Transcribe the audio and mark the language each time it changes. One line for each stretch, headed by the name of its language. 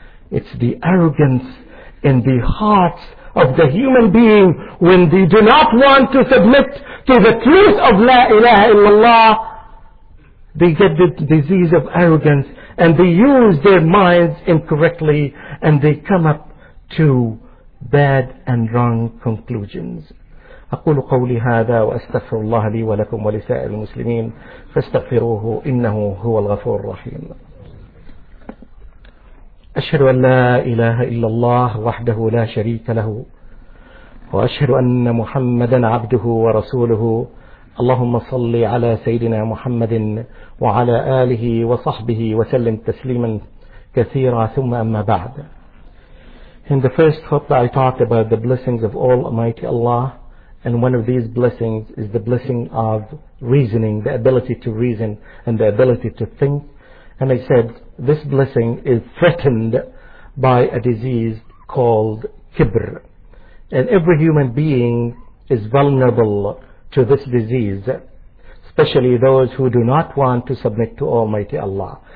English: It's the arrogance in the hearts of the human being when they do not want to submit to the truth of La ilaha illallah. They get the disease of arrogance and they use their minds incorrectly and they come up to bad and wrong conclusions.
Arabic: أقول قولي هذا وأستغفر الله لي ولكم ولسائر المسلمين فاستغفروه إنه هو الغفور الرحيم أشهد أن لا إله إلا الله وحده لا شريك له وأشهد أن محمدا عبده ورسوله اللهم صل على سيدنا محمد وعلى آله وصحبه وسلم تسليما كثيرا ثم أما بعد
English: In the first khutbah I talked about the blessings of all Almighty Allah. And one of these blessings is the blessing of reasoning, the ability to reason and the ability to think. And I said, this blessing is threatened by a disease called kibr. And every human being is vulnerable to this disease, especially those who do not want to submit to Almighty Allah.